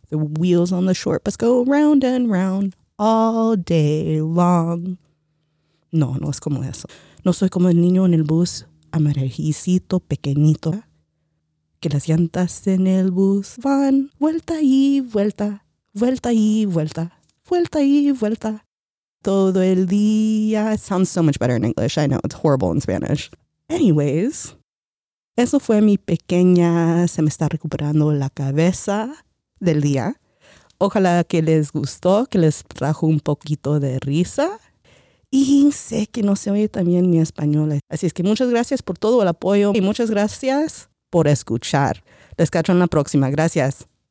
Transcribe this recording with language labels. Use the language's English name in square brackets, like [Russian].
[English] The wheels on the short bus go round and round all day long. [Spanish] No, no es como eso. No soy como el niño en el bus amarillito, pequeñito. Que las llantas en el bus van vuelta y vuelta, vuelta y vuelta, vuelta y vuelta. Todo el día. [English] It sounds so much better in English. I know, it's horrible in Spanish. [Spanish] Anyways, eso fue mi pequeña, se me está recuperando la cabeza del día. Ojalá que les gustó, que les trajo un poquito de risa. Y sé que no se oye también mi español. Así es que muchas gracias por todo el apoyo y muchas gracias por escuchar. Les cacho en la próxima. Gracias.